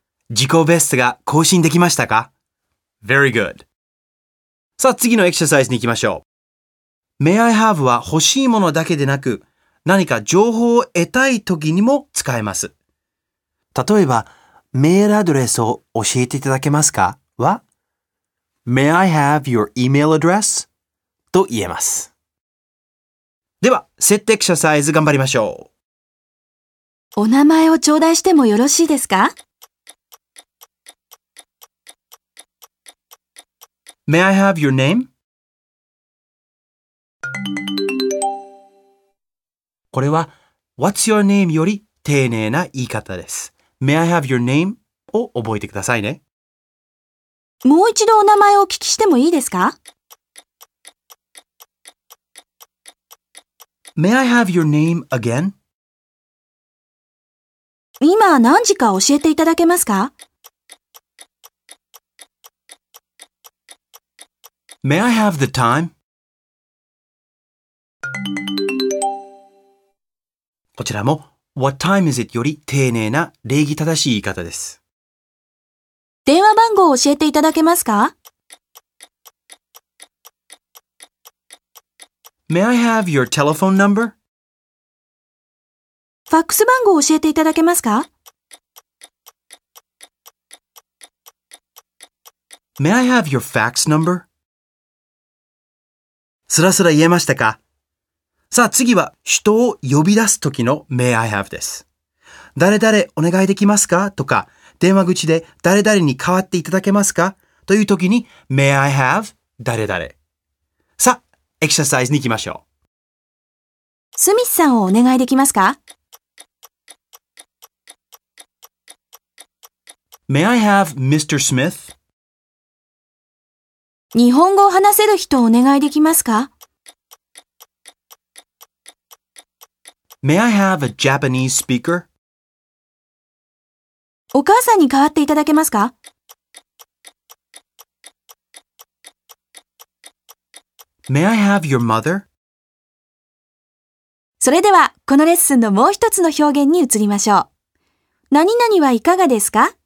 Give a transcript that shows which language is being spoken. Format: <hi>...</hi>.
<ja>自己ベストが更新できましたか？</ja> <en>Very good.</en> <ja>さあ次のエクササイズに行きましょう。</ja> <en>May I have</en> <ja>は欲しいものだけでなく、何か情報を得たい時にも使えます。例えば、メールアドレスを教えていただけますか？は、</ja> <en>May I have your email address?</en> <ja>と言えます。では、設定エクササイズ頑張りましょう。お名前を頂戴してもよろしいですか？</ja> <en>May I have your name?</en> <ja>これは</ja> <en>What's your name?</en> <ja>より丁寧な言い方です。</ja> <en>May I have your name?</en> <ja>を覚えてくださいね。もう一度お名前をお聞きしてもいいですか？</ja> <en>May I have your name again?</en> <ja>今何時か教えていただけますか？</ja> <en>May I have the time?</en> <ja>こちらも</ja> <en>What time is it?</en> <ja>より丁寧な礼儀正しい言い方です。電話番号を教えていただけますか？</ja> <en>May I have your telephone number?</en> <ja>ファックス番号を教えていただけますか？</ja> <en>May I have your fax number?</en> <ja>すらすら言えましたか？さあ次は人を呼び出す時の</ja> <en>May I have</en> <ja>です。誰々お願いできますか？とか電話口で誰々に代わっていただけますか？という時に</ja> <en>May I have</en> <ja>誰々。さあエクササイズに行きましょう。スミスさんをお願いできますか？</ja> <en>May I have Mr. Smith?</en> <ja>日本語を話せる人をお願いできますか？</ja> <en>May I have a Japanese speaker?</en> <ja>お母さんに代わっていただけますか？</ja> <en>May I have your mother?</en> <ja>それではこのレッスンのもう一つの表現に移りましょう。何々はいかがですか？</ja>